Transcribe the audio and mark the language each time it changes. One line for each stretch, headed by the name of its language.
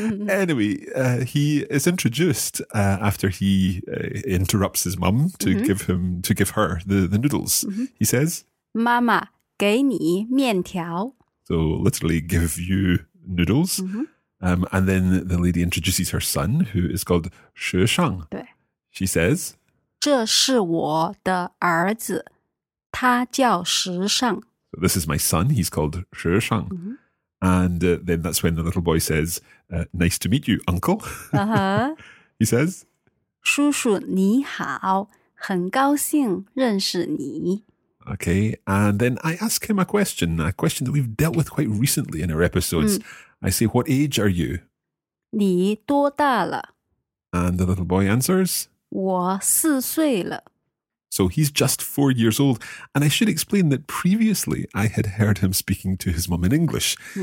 English: Anyway, he is introduced after he interrupts his mum to give her the noodles. He says,
Chinese: 妈妈给你面条.
English: So literally give you noodles. And then the lady introduces her son, who is called Shi Shang. She says,
Chinese: 这是我的儿子，他叫时尚。
English: So this is my son, he's called Shi Shang. And then that's when the little boy says, nice to meet you, uncle. He says,
Chinese: 叔叔你好，很高兴认识你。
English: Okay, and then I ask him a question that we've dealt with quite recently in our episodes. I say, what age are you?
Chinese: 你多大了?
English: And the little boy answers,
Chinese: 我四岁了。
English: So he's just 4 years old. And I should explain that previously I had heard him speaking to his mum in English.